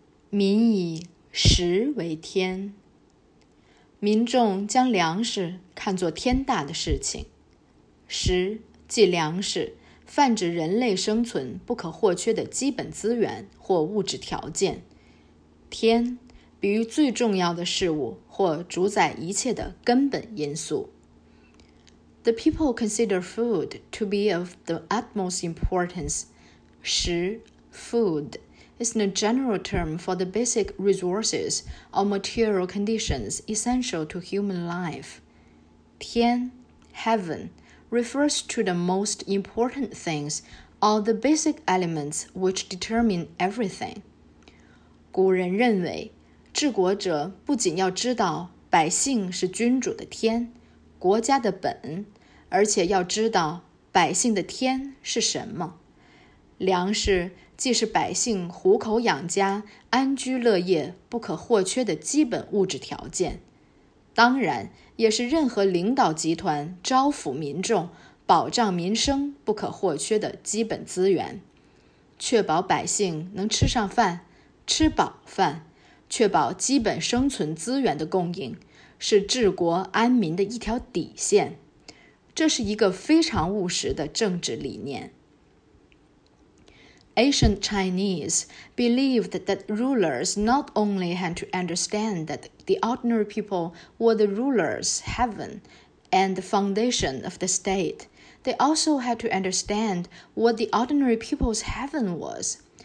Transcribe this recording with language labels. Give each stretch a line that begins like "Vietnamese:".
Chinese: 民以食为天，民众将粮食看作天大的事情。食即粮食，泛指人类生存不可或缺的基本资源或物质条件。天比喻最重要的事物或主宰一切的根本因素。
English: The people consider food to be of the utmost importance. 食 food. It's a general term for the basic resources or material conditions essential to human life. 天, heaven, refers to the most important things or the basic elements which determine everything.
Chinese: 古人认为,治国者不仅要知道百姓是君主的天,国家的本,而且要知道百姓的天是什么。粮食既是百姓糊口养家、安居乐业不可或缺的基本物质条件，当然也是任何领导集团招抚民众、保障民生不可或缺的基本资源。确保百姓能吃上饭、吃饱饭，确保基本生存资源的供应，是治国安民的一条底线。这是一个非常务实的政治理念。
English: Ancient Chinese believed that rulers not only had to understand that the ordinary people were the rulers, heaven, and the foundation of the state, they also had to understand what the ordinary people's heaven was.